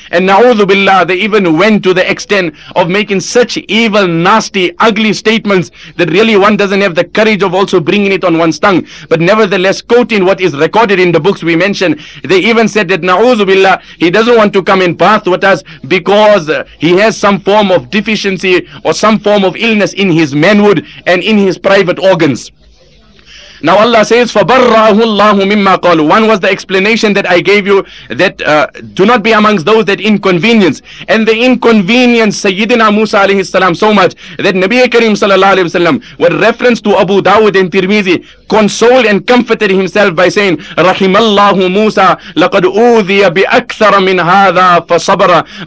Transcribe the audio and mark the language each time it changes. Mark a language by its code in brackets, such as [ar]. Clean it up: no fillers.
[en] And na'udhu billah, they even went to the extent of making such evil, nasty, ugly statements that really one doesn't have the courage of also bringing it on one's tongue. But nevertheless, quoting what is recorded in the books we mentioned, they even said that na'udhu billah, he doesn't want to come and bath with us because he has some form of deficiency or some form of illness in his manhood and in his private organs. Now Allah says, [ar] فَبَرَّاهُ اللَّهُ مِمَّا قَالُوا. [en] One was the explanation that I gave you, that do not be amongst those that inconvenience. And the inconvenience Sayyidina Musa alayhi salam so much that Nabi Kareem sallallahu alayhi wa sallam, with reference to Abu Dawud and Tirmizi, consoled and comforted himself by saying, [ar] رَحِمَ اللَّهُ مُوسَى لَقَدْ أُوذِيَ بِأَكْثَرَ مِنْ هَذَا فَصَبَرَ.